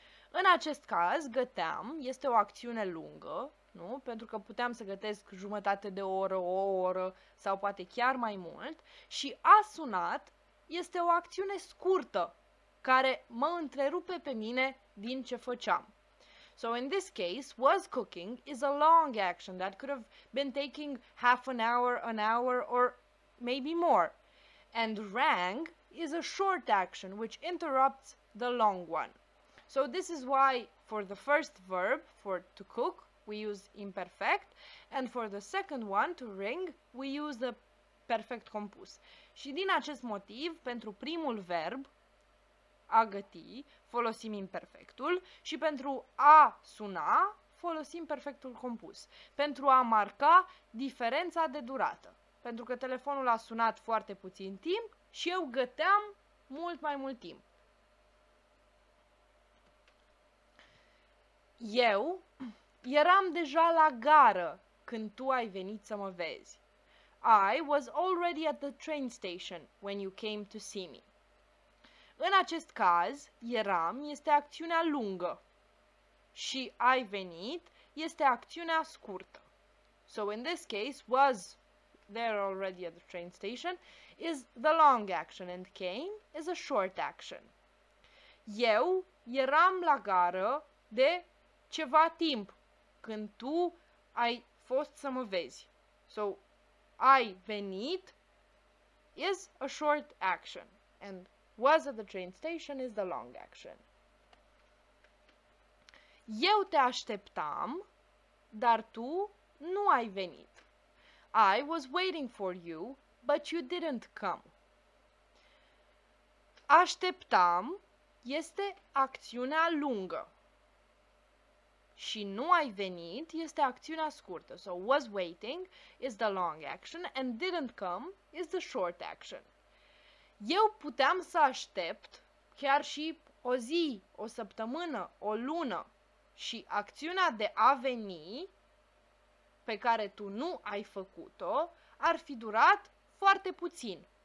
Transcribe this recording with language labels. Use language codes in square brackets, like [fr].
[ro] În acest caz, găteam este o acțiune lungă, nu? Pentru că puteam să gătesc jumătate de oră, o oră sau poate chiar mai mult. Și a sunat este o acțiune scurtă care mă întrerupe pe mine din ce făceam. [en] So in this case, was cooking is a long action that could have been taking half an hour, or maybe more. And rang is a short action which interrupts the long one. So this is why for the first verb, for to cook, we use imperfect. And for the second one, to ring, we use the perfect compus. [ro] Și din acest motiv, pentru primul verb, a găti, folosim imperfectul și pentru a suna folosim perfectul compus pentru a marca diferența de durată. Pentru că telefonul a sunat foarte puțin timp și eu găteam mult mai mult timp. Eu eram deja la gară când tu ai venit să mă vezi. [en] I was already at the train station when you came to see me. [ro] În acest caz, eram este acțiunea lungă și ai venit este acțiunea scurtă. [en] So in this case, was there already at the train station is the long action and came is a short action. [ro] Eu eram la gară de ceva timp când tu ai fost să mă vezi. [en] So, [ro] ai venit [en] is a short action and was at the train station is the long action. [ro] Eu te așteptam, dar tu nu ai venit. [en] I was waiting for you, but you didn't come. [ro] Așteptam este acțiunea lungă. Și nu ai venit este acțiunea scurtă. [en] So was waiting is the long action and didn't come is the short action. [ro] Eu puteam să aștept chiar și o zi, o săptămână, o lună și acțiunea de a veni pe care tu nu ai făcut-o ar fi durat foarte puțin.